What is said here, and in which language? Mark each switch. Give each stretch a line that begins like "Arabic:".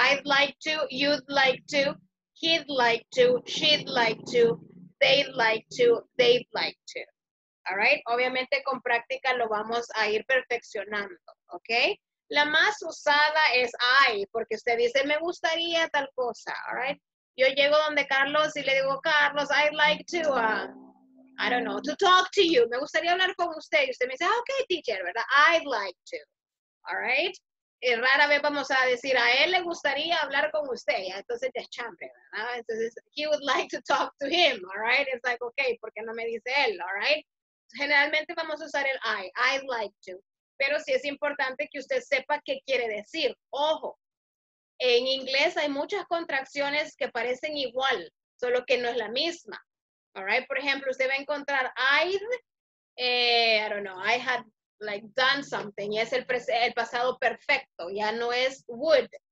English: I'd like to, you'd like to, he'd like to, she'd like to, they'd like to, they'd like to. All right?
Spanish: Obviamente con práctica lo vamos a ir perfeccionando, ¿ok? La más usada es I, porque usted dice, me gustaría tal cosa,
English: all right?
Spanish: Yo llego donde Carlos y le digo, Carlos,
English: I'd like to, I don't know, to talk to you.
Spanish: Me gustaría hablar con usted. Y usted me dice, ok, teacher, ¿verdad?
English: I'd like to, all right?
Spanish: Y rara vez vamos a decir, a él le gustaría hablar con usted. Ya, entonces ya es chambre, ¿verdad?
English: Entonces, he would like to talk to him, all right? It's like, ok,
Spanish: ¿por qué no me dice él,
English: all right?
Spanish: Generalmente vamos a usar el I'd like to, pero sí es importante que usted sepa qué quiere decir. Ojo, en inglés hay muchas contracciones que parecen igual, solo que no es la misma.
English: All right?
Spanish: Por ejemplo, usted va a encontrar
English: I'd, I don't know, I had like done something,
Spanish: y es el pasado perfecto, ya no es would.